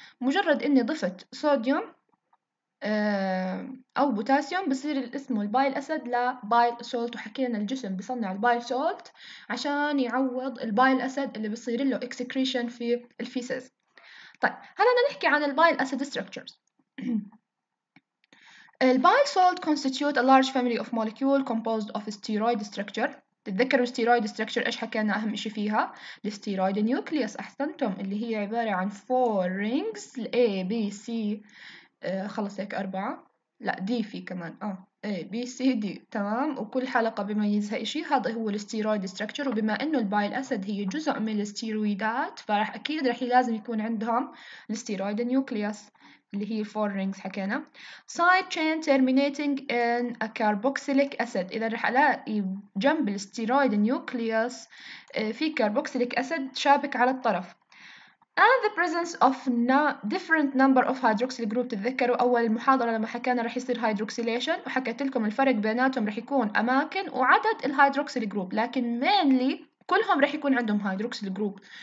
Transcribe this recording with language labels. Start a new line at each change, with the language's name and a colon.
Arabic: مجرد إني ضفت صوديوم أو بوتاسيوم بصير الاسم البايل أسد لبايل سولت، وحكينا الجسم بصنع البايل سولت عشان يعوض البايل أسد اللي بصير له إكسكريشن في الفيسز. طيب هلا نحكي عن البايل أسد ستركتشرز.
English: البايل salts constitute a large family of molecule composed of steroid structure.
Arabic: تتذكروا الستيرويد ستراكشر ايش حكينا اهم اشي فيها؟ الستيرويد نيوكليوس، احسنتم، اللي هي عبارة عن 4 رينجز الـ A B C، خلص هيك اربعة، لا دي في كمان A B C D. تمام، وكل حلقة بميزها اشي. هذا هو الستيرويد ستراكشر، وبما انه البايل اسد هي جزء من الستيرويدات فرح اكيد رح يلازم يكون عندهم الستيرويد نيوكليوس اللي هي 4 رينجز حكينا.
English: side chain terminating in a carboxylic acid,
Arabic: اذا رح الاقي جنب الستيرويد نيوكليوس في كاربوكسيليك اسيد شابك على الطرف.
English: And the presence of different number of hydroxyl group.
Arabic: تتذكروا أول محاضرة لما حكينا رح يصير hydroxylation، وحكيت لكم الفرق بيناتهم رح يكون أماكن وعدد الهيدروكسيل جروب، لكن mainly كلهم رح يكون عندهم hydroxyl group.